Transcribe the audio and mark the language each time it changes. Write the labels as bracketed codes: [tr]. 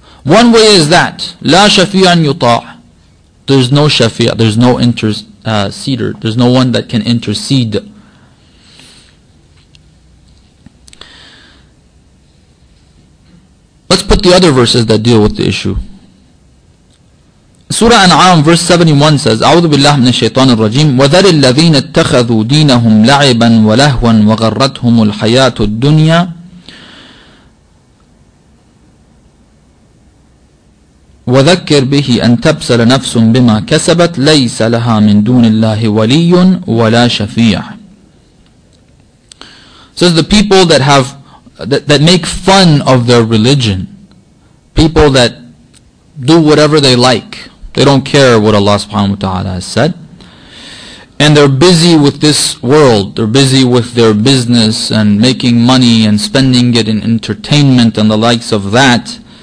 [en] One way is that, [ar] لا شَفِيعًا يُطَاعُ. [en] There's no shafi'ah, there's no interceder, there's no one that can intercede. Let's put the other verses that deal with the issue. Surah An'am, verse 71 says, [ar] أعوذ بالله من الشيطان الرجيم وذر الذين اتخذوا دينهم لعبا ولهوا وغرتهم الحياة الدنيا وذكر به أن تبسل نفس بما كسبت ليس لها من دون الله ولي ولا شفيع. [en] Says the people that make fun of their religion, people that do whatever they like, they don't care what Allah subhanahu wa ta'ala has said, and they're busy with this world, they're busy with their business and making money and spending it in entertainment and the likes of that.